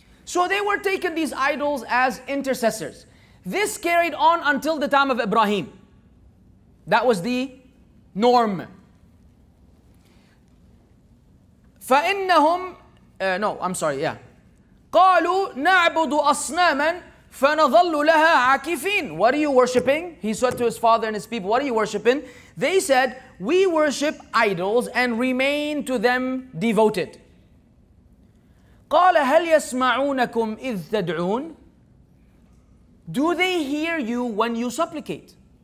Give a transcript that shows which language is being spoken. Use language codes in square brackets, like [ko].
[en] So they were taking these idols as intercessors. This carried on until the time of Ibrahim. That was the norm. [ar] فَإِنَّهُمْ [en] no, I'm sorry, yeah. [ar] قَالُوا نَعْبُدُ أَصْنَامًا فَنَظَلُّ لَهَا عَاكِفِينَ [en] What are you worshipping? He said to his father and his people, what are you worshipping? They said, we worship idols and remain to them devoted. [ar] قَالَ هَلْ يَسْمَعُونَكُمْ إِذْ تَدْعُونَ [en] Do they hear you when you supplicate?